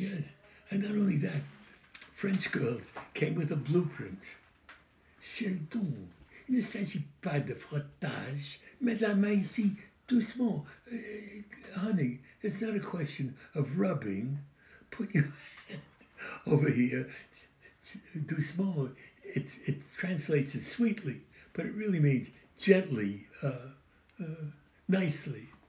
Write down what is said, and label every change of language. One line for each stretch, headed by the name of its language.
English: Yes, and not only that, French girls came with a blueprint.
French: Sheldon, il ne s'agit pas de frottage, mais de la main ici, doucement.
English: Honey, it's not a question of rubbing. Put your hand over here, doucement. It translates as sweetly, but it really means gently, nicely.